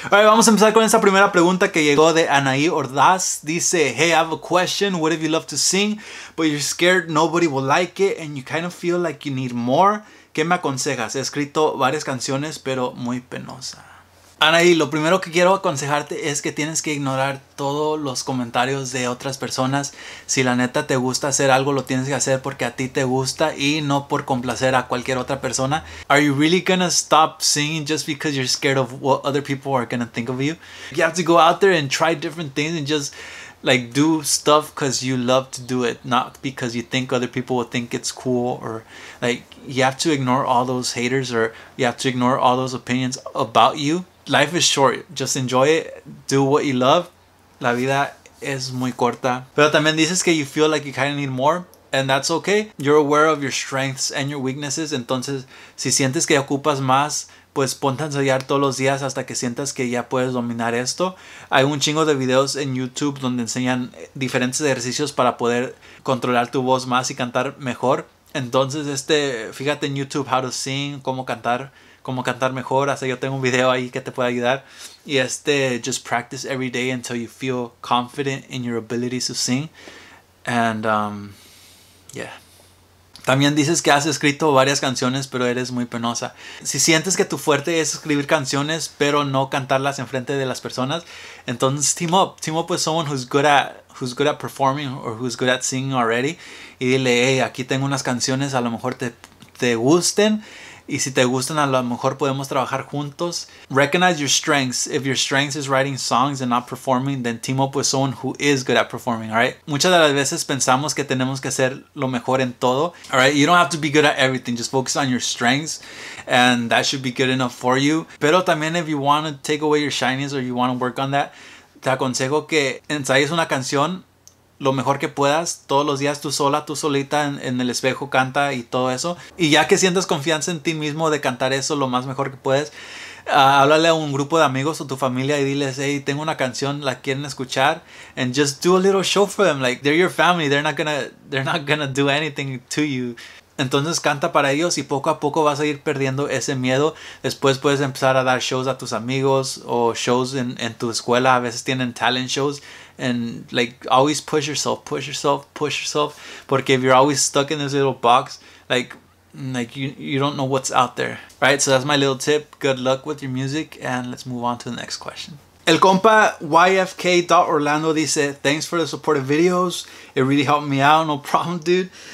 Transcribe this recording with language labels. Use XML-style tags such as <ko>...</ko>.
<en>All right,</en> <es>vamos a empezar con esta primera pregunta que llegó de Anaí Ordaz.</es> <en>Dice, hey, I have a question. What if you love to sing, but you're scared nobody will like it and you kind of feel like you need more?</en> <es>¿Qué me aconsejas? He escrito varias canciones, pero muy penosa. Anaí, lo primero que quiero aconsejarte es que tienes que ignorar todos los comentarios de otras personas. Si la neta te gusta hacer algo, lo tienes que hacer porque a ti te gusta y no por complacer a cualquier otra persona.</es> <en>Are you really gonna stop singing just because you're scared of what other people are gonna think of you? You have to go out there and try different things and just like do stuff because you love to do it, not because you think other people will think it's cool. Or like, you have to ignore all those haters, or you have to ignore all those opinions about you. Life is short, just enjoy it, do what you love.</en> <es>La vida es muy corta. Pero también dices que</es> <en>you feel like you kind of need more, and that's okay. You're aware of your strengths and your weaknesses.</en> <es>Entonces, si sientes que ocupas más, pues ponte a ensayar todos los días hasta que sientas que ya puedes dominar esto. Hay un chingo de videos en YouTube donde enseñan diferentes ejercicios para poder controlar tu voz más y cantar mejor. Entonces, fíjate en YouTube</es> <en>how to sing,</en> <es>cómo cantar mejor. Hasta yo tengo un video ahí que te puede ayudar.</es> <en>Y just practice every day until you feel confident in your abilities to sing. And, yeah.</en> <es>También dices que has escrito varias canciones, pero eres muy penosa. Si sientes que tu fuerte es escribir canciones, pero no cantarlas en frente de las personas, entonces</es> <en>team up. Team up with someone who's good at performing or who's good at singing already.</en> <es>Y dile, hey, aquí tengo unas canciones, a lo mejor te gusten. Y si te gustan, a lo mejor podemos trabajar juntos.</es> <en>Recognize your strengths. If your strengths is writing songs and not performing, then team up with someone who is good at performing, alright?</en> <es>Muchas de las veces pensamos que tenemos que hacer lo mejor en todo, alright?</es> <en>You don't have to be good at everything. Just focus on your strengths and that should be good enough for you.</en> <es>Pero también,</es> <en>if you want to take away your shyness or you want to work on that,</en> <es>te aconsejo que ensayes una canción lo mejor que puedas, todos los días tú sola, tú solita en el espejo, canta y todo eso. Y ya que sientas confianza en ti mismo de cantar eso lo más mejor que puedes, háblale a un grupo de amigos o tu familia y diles, hey, tengo una canción, ¿la quieren escuchar?</es> <en>And just do a little show for them, like, they're your family, they're not gonna do anything to you.</en> <es>Entonces canta para ellos y poco a poco vas a ir perdiendo ese miedo. Después puedes empezar a dar shows a tus amigos o shows en tu escuela. A veces tienen talent shows.</es> <en>And like, always push yourself, push yourself, push yourself. Porque if you're always stuck in this little box, like you don't know what's out there. Right? So that's my little tip. Good luck with your music. And let's move on to the next question.</en> <es>El compa</es> <en>yfk.orlando dice, thanks for the supportive videos. It really helped me out. No problem, dude.</en>